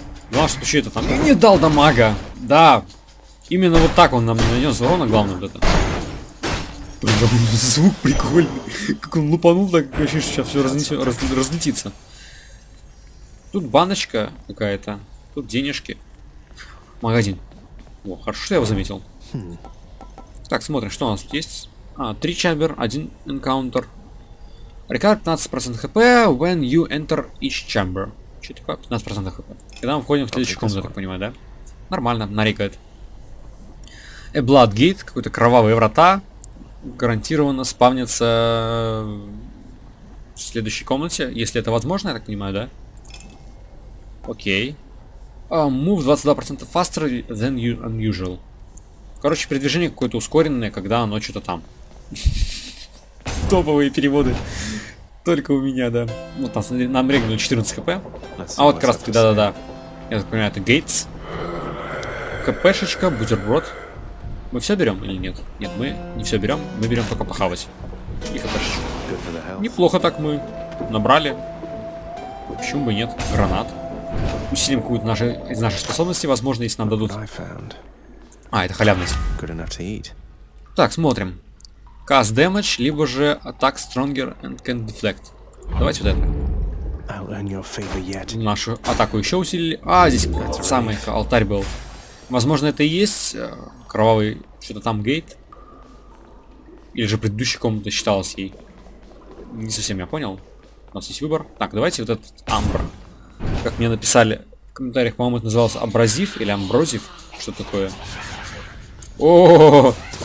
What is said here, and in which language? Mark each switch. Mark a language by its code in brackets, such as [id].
[ru] Ну а что это там? Я не дал дамага. Да. Именно вот так он нам не нанес урона, главное вот это. Звук прикольный. Как он лупанул, так вообще сейчас все разлетится. Тут баночка какая-то. Тут денежки. Магазин. О, хорошо, что я его заметил. Так, смотрим, что у нас тут есть. А, 3 чембер, 1 энкаунтер. Рекард 15% хп, [en] when you enter each chamber. [ru] Что такое? 15% хп. Когда мы входим в следующую комнату, я так понимаю, да? Нормально, нарекает. [en] A blood gate, [ru] какой-то кровавые врата. Гарантированно спавнится в следующей комнате, если это возможно, я так понимаю, да? Окей. [en] Move 22% faster than unusual. [ru] Короче, передвижение какое-то ускоренное, когда оно что-то там. Топовые переводы. Только у меня, да. Вот нас на регнуло 14 хп. А вот краски, да-да-да. Я так понимаю, это Gates. ХПшечка, бутерброд. Мы все берем или нет? Нет, мы не все берем. Мы берем только похавать. И ХПшечка. Неплохо так мы набрали. Почему бы нет? Гранат. Усилим какую-то из наших способностей, возможно, если нам дадут. А, это халявность. Так, смотрим. [en] Cast damage, [ru] либо же [en] attack stronger and can deflect. [ru] Давайте вот это. Нашу атаку еще усилили. А, здесь самый алтарь был. Возможно, это и есть кровавый что-то там гейт. Или же предыдущая комната считалась ей. Не совсем я понял. У нас есть выбор. Так, давайте вот этот амбр. Как мне написали в комментариях, по-моему, это называлось абразив или амброзив. Что такое? О-о-о-о!